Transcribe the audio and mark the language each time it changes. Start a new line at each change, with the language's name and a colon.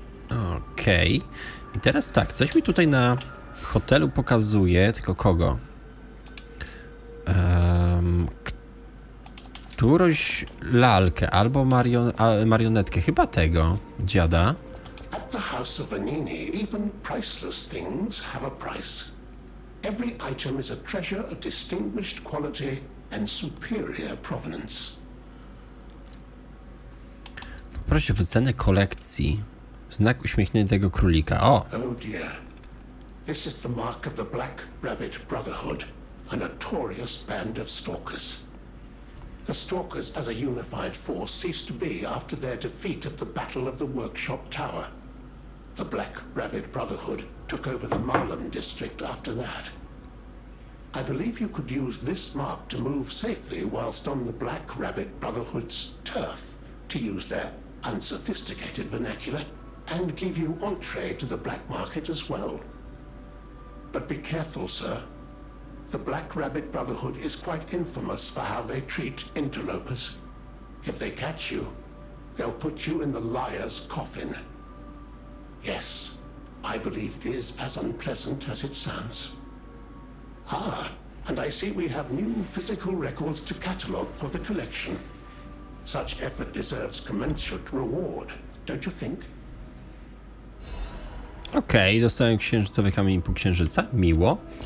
Polish: Okej. Okay. I teraz tak, coś mi tutaj na hotelu pokazuje, tylko kogo? Którąś lalkę albo marionetkę, chyba tego dziada.
English: At the house of Anini, even priceless things have a price. Every item is a treasure of distinguished quality and superior provenance.
Polish: Poproszę o wycenę kolekcji. Znak uśmiechniętego królika.
English: O! Oh dear. This is the mark of the Black Rabbit Brotherhood, a notorious band of stalkers. The stalkers as a unified force ceased to be after their defeat at the Battle of the Workshop Tower. The Black Rabbit Brotherhood took over the Marlam district after that. I believe you could use this mark to move safely whilst on the Black Rabbit Brotherhood's turf, to use their unsophisticated vernacular. And give you entree to the black market as well. But be careful, sir. The Black Rabbit Brotherhood is quite infamous for how they treat interlopers. If they catch you, they'll put you in the liar's coffin. Yes, I believe it is as unpleasant as it sounds. Ah, and I see we have new physical records to catalog for the collection. Such effort deserves commensurate reward. Don't you think?
Polish: Okej, okay, dostałem księżycowy kamień półksiężyca. Miło.